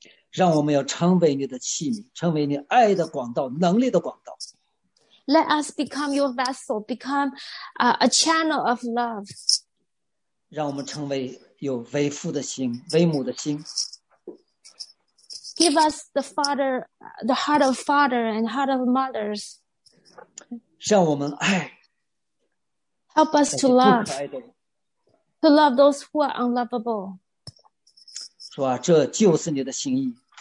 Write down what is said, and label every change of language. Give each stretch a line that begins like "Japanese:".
Chinese: 让我们要成为你的器皿，成为你爱的广道，能力的广道。
English: Let us become your vessel, become a channel of love.
Chinese: 让我们成为有为父的心，为母的心。
English: Give us the father, the heart of father and heart of mothers.
Chinese: 让我们爱。
English: Help us to love. To love those who are unlovable.
Chinese: 主啊，这就是你的心意。